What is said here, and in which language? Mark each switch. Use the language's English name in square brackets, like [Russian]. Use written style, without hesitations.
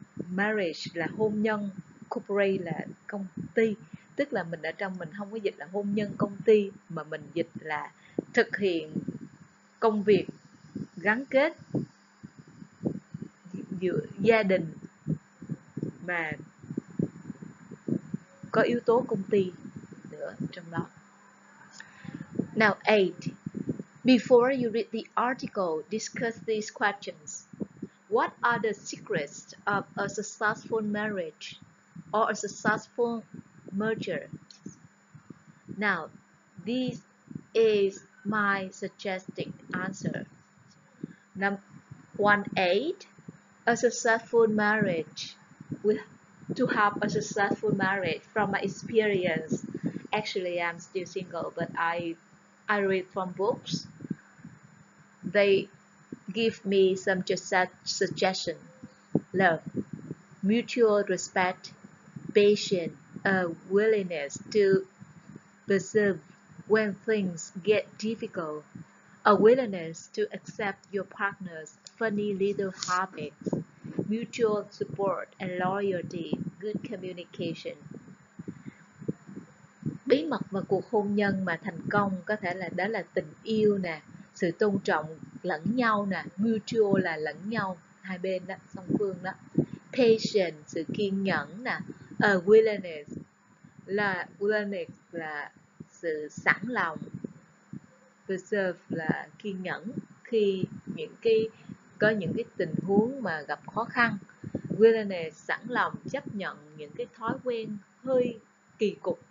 [Vietnamese] marriage là hôn nhân, corporate là công ty, tức là mình ở trong, mình không có dịch là hôn nhân công ty mà mình dịch là thực hiện công việc gắn kết giữa gia đình mà có yếu tố công ty nữa trong đó. [English] Now 8. Before you read the article, discuss these questions. What are the secrets of a successful marriage or a successful merger? Now, this is my suggested answer. Number 1.8. A successful marriage. To have a successful marriage, from my experience, actually I'm still single, but I read from books. They give me some just suggestion: love, mutual respect, patience, a willingness to persevere when things get difficult, a willingness to accept your partner's funny little habits, mutual support and loyalty, good communication. [Vietnamese] Bí mật mà cuộc hôn nhân mà thành công có thể là đó là tình yêu nè, sự tôn trọng lẫn nhau nè, mutual là lẫn nhau, hai bên đó, song phương đó. Patience, sự kiên nhẫn nè, willingness là sự sẵn lòng, preserve là kiên nhẫn khi có những cái tình huống mà gặp khó khăn, willingness sẵn lòng chấp nhận những cái thói quen hơi kỳ cục.